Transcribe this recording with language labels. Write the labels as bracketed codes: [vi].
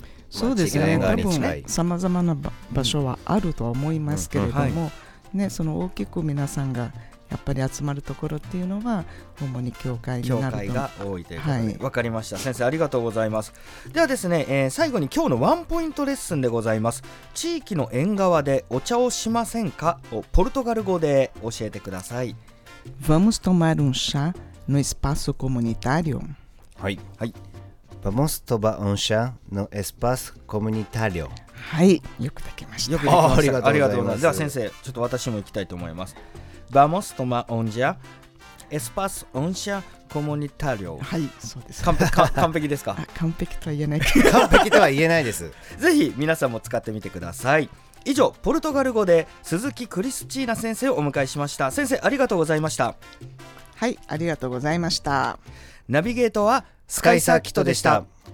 [ja] そうですね、多分さまざまな場所はあるとは思いますけれども、ね、その大きく皆さんがやっぱり集まるところっていうのは主に教会になると。教会が多いということで、はい、分かりました。先生ありがとうございます。ではですね、最後に今日のワンポイントレッスンでございます。地域の縁側でお茶をしませんかをポルトガル語で教えてください。 [pt] Vamos tomar um chá no espaço comunitário? はい、はい、Vamos tomar um chá no espaço comunitário? [ja] はい、よくできました。よくできました。ありがとうございます。では先生、ちょっと私も行きたいと思います。 [pt] Vamos tomar un chá, espaço un chá comunitário. [ja] はい、そうです。完璧ですか？完璧とは言えない。完璧とは言えないです。ぜひ皆さんも使ってみてください。以上、ポルトガル語で鈴木クリスチーナ先生をお迎えしました。先生、ありがとうございました。はい、ありがとうございました。ナビゲートはスカイサーキットでした。